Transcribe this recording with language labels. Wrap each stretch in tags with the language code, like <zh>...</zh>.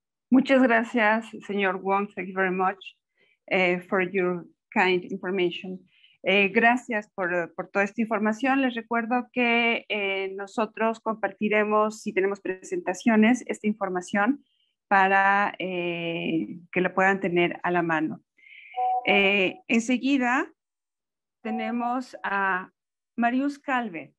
<es>Muchas gracias, señor Wong.</es> <en>Thank you very much for your kind information.</en> <es>Gracias por toda esta información. Les recuerdo que nosotros compartiremos, si tenemos presentaciones, esta información para que la puedan tener a la mano. Enseguida tenemos a Marius Calvet.</es>